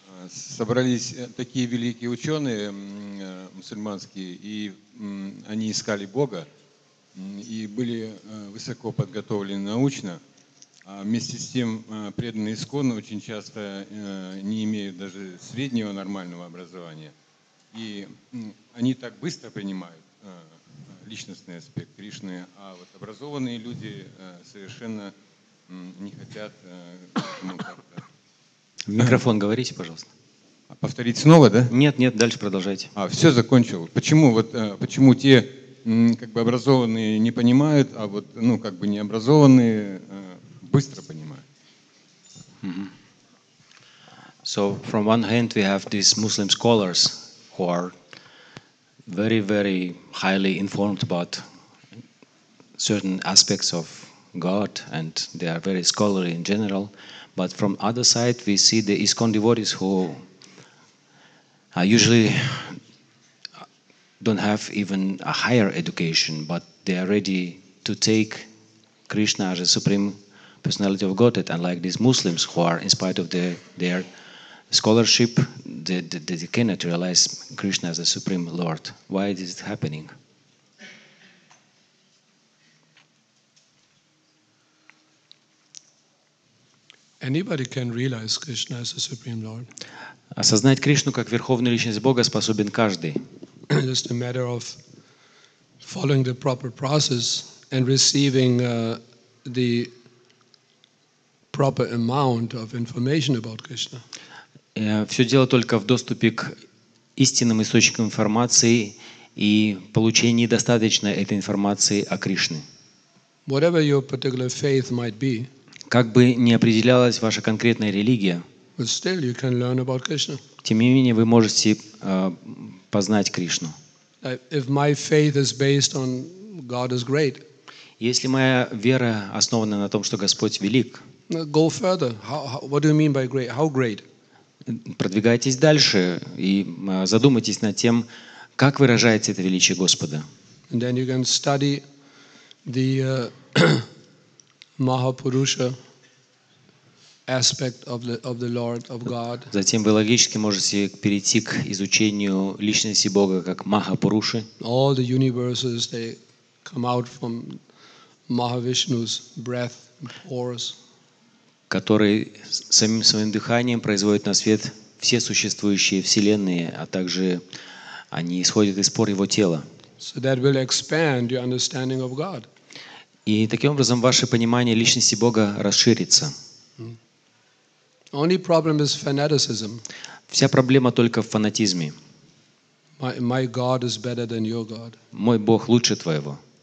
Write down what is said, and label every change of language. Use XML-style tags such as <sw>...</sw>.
<ru>Собрались такие великие ученые мусульманские, и они искали Бога, и были высоко подготовлены научно, а вместе с тем преданные исконно очень часто не имеют даже среднего нормального образования, и они так быстро принимают личностный аспект Кришны, а вот образованные люди совершенно не хотят этому как-то. В микрофон говорите, пожалуйста. Повторить снова, да? Нет, дальше продолжайте. А, все закончил. Почему те как бы образованные не понимают, а вот ну как бы необразованные быстро понимают? Mm-hmm.</ru> <en>So from one hand we have these Muslim scholars who are very very highly informed about certain aspects of God and they are very scholarly in general, but from other side we see the ISKCON devotees who usually don't have even a higher education, but they are ready to take Krishna as the Supreme Personality of Godhead. And like these Muslims who are, in spite of their scholarship, they cannot realize Krishna as the Supreme Lord. Why is it happening? Anybody can realize Krishna as the Supreme Lord.</en> <ru>Осознать Кришну как верховную личность Бога способен каждый.</ru> <en>It's just a matter of following the proper process and receiving the proper amount of information about Krishna.</en> <ru>Все дело только в доступе к истинным источникам информации и получении достаточной этой информации о Кришне.</ru> <en>Whatever your particular faith might be,</en> <ru>как бы ни определялась ваша конкретная религия,</ru> <en>but still you can learn about Krishna.</en> <ru>Тем не менее, вы можете познать Кришну.</ru> <en>If my faith is based on God is great,</en> <ru>если моя вера основана на том, что Господь велик,</ru> <en>go further. What do you mean by great? How great?</en> <ru>Продвигайтесь дальше и задумайтесь над тем, как выражается это величие Господа.</ru> <en>And then you can study the Mahapurusha aspect of the Lord of God.</en> <ru>Затем вы логически можете перейти к изучению личности Бога как Махапуруши.</ru> <en>All the universes they come out from Mahavishnu's breath pores.</en> <ru>Который самим своим дыханием производит на свет все существующие вселенные, а также они исходят из пор его тела.</ru> <en>So that will expand your understanding of God.</en> <ru>И таким образом ваше понимание личности Бога расширится.</ru> <en>Only problem is fanaticism.</en> <ru>Вся проблема только в фанатизме.</ru> <en>My God is better than your God.</en> <ru>Мой Бог лучше твоего.</ru>